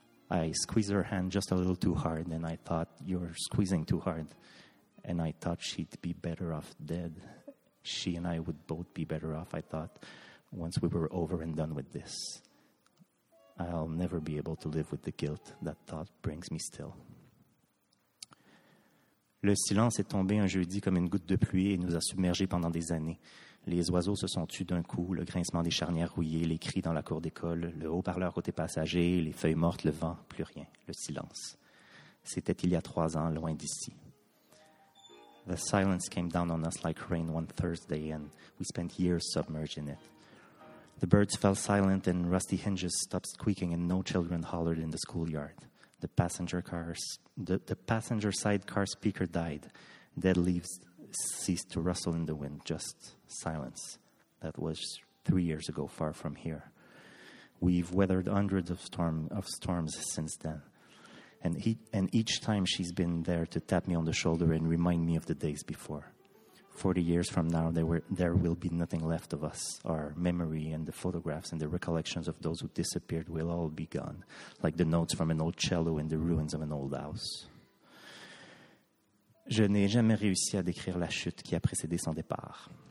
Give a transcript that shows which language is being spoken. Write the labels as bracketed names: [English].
[English] I squeezed her hand just a little too hard, and I thought, you're squeezing too hard. And I thought she'd be better off dead. She and I would both be better off, I thought, once we were over and done with this. I'll never be able to live with the guilt that thought brings me still. [French] Le silence est tombé un jeudi comme une goutte de pluie et nous a submergés pendant des années. Les oiseaux se sont tus d'un coup, le grincement des charnières rouillées, les cris dans la cour d'école, le haut-parleur côté passager, les feuilles mortes, le vent, plus rien, le silence. C'était il y a 3 ans, loin d'ici. [English] The silence came down on us like rain one Thursday and we spent years submerged in it. The birds fell silent and rusty hinges stopped squeaking and no children hollered in the schoolyard. The passenger side car speaker died. Dead leaves ceased to rustle in the wind, just silence. That was 3 years ago, far from here. We've weathered hundreds of storms since then. And each time she's been there to tap me on the shoulder and remind me of the days before. 40 years from now, there will be nothing left of us. Our memory and the photographs and the recollections of those who disappeared will all be gone, like the notes from an old cello in the ruins of an old house. [French] Je n'ai jamais réussi à décrire la chute qui a précédé son départ.